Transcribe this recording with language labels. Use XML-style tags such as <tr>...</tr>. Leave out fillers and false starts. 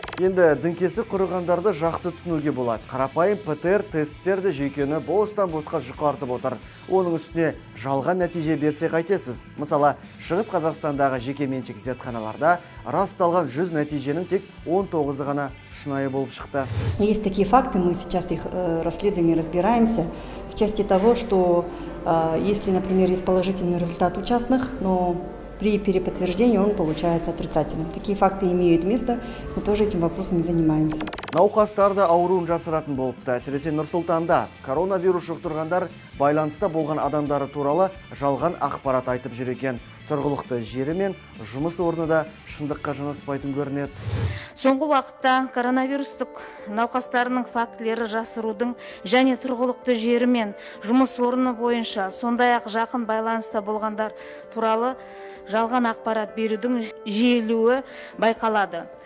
<kk>Енді діңкесі құрығандарды жақсы түсінуге болады. Қарапайым ПТР тесттерді жүйкені бостан босқа жұқартып отыр. Оның үстіне жалған нәтиже берсе қайтесіз. Мысалы, Шығыс Қазақстандағы жеке меншік зертханаларда расталған 100 нәтиженің тек 19-ы ғана шынайы болып шықты.</kk> <ru>Есть такие факты, мы сейчас их расследуем и разбираемся. В части того, что если, например, есть положительный результат у частных, но при переподтверждении он получается отрицательным. Такие факты имеют место, мы тоже этим вопросами занимаемся.</ru> <kk>Науқастарды ауруын жасыратын болыпты. Әсіресе Нұр-Сұлтанда коронавирус жұқтырғандар байланыста болған адамдары туралы жалған ақпарат айтып жүр екен. Тұрғылықты жері мен жұмыс орны да шындыққа жанаспайтын көрінеді. Соңғы уақытта коронавирустық науқастарының фактілері жасырудың және тұрғылықты жері мен жұмыс орны бойынша сондай-ақ жақын байланыста болғандар туралы жалған ақпарат берудің жиілеуі байқалады.</kk>